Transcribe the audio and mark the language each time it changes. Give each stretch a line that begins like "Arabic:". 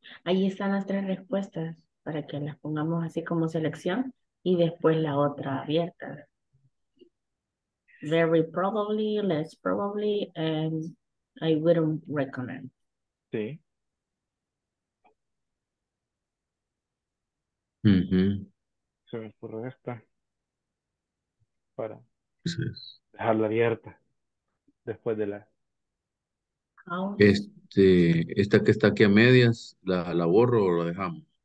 Spanish: Ahí están las tres respuestas para que las pongamos así como selección y después la otra abierta.
English: Very probably, less probably, and I wouldn't recommend.
Spanish: Sí. Se me ocurre esta para dejarla abierta después de la esta que está aquí a medias, la borro o la dejamos.